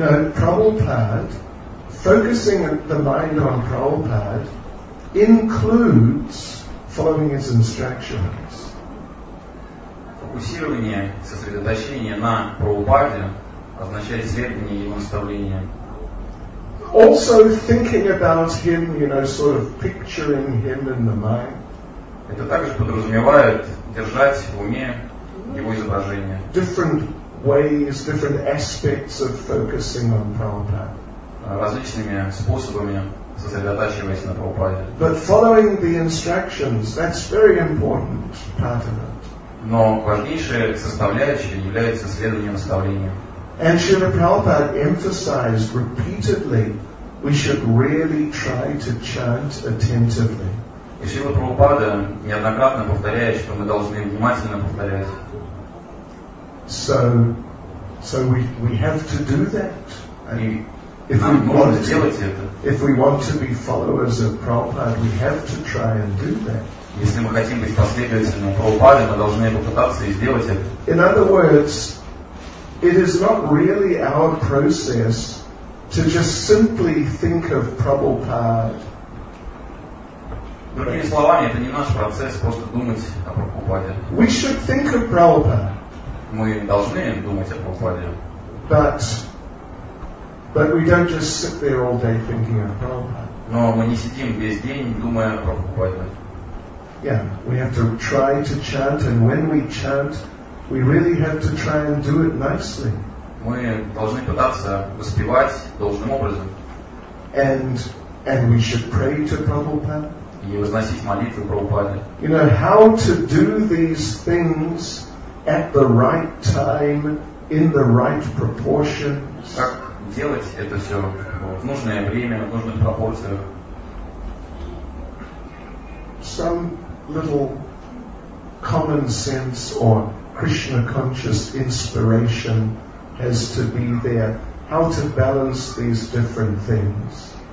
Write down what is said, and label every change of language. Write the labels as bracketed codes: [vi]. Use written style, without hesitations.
[en] Focusing the mind on Prabhupada includes following his instructions. [ru] Фокусирование, сосредоточение на Прабхупаде означает следование его наставлениям. [en] Also thinking about him, you know, sort of picturing him in the mind. [ru] Это также подразумевает держать в уме его изображение. [en] Different ways, different aspects of focusing on Prabhupada. [ru] Различными способами сосредотачиваясь на Прабхупаде. [en] But following the instructions, that's very important part of it. [ru] Но важнейшая составляющая является следование наставлениям. [en] And Srila Prabhupada emphasized repeatedly, we should really try to chant attentively. [ru] И Шрила Прабхупада неоднократно повторяет, что мы должны внимательно повторять. [en] So we have to do that. If we want to be followers of Prabhupada, we have to try and do that. [ru] Если мы хотим быть последователями Прабхупады, мы должны попытаться и сделать это. [en] In other words, it is not really our process to just simply think of Prabhupada. [ru] Другими словами, это не наш процесс просто думать о Прабхупаде. [en] We should think of Prabhupada. [ru] Мы должны думать о Прабхупаде. [en] But we don't just sit there all day thinking of Prabhupada. [ru] Но мы не сидим весь день, думая о Прабхупаде. [en] Yeah, we have to try to chant, and when we chant, we really have to try and do it nicely. [ru] Мы должны пытаться воспевать должным образом. [en] And we should pray to Prabhupada. [ru] И возносить молитву Прабхупаде. [en] You know, how to do these things at the right time, in the right proportions. [ru] Делать это все в нужное время, в нужных пропорциях. [en] Some little common sense or Krishna conscious inspiration has to be there. How to balance these different things?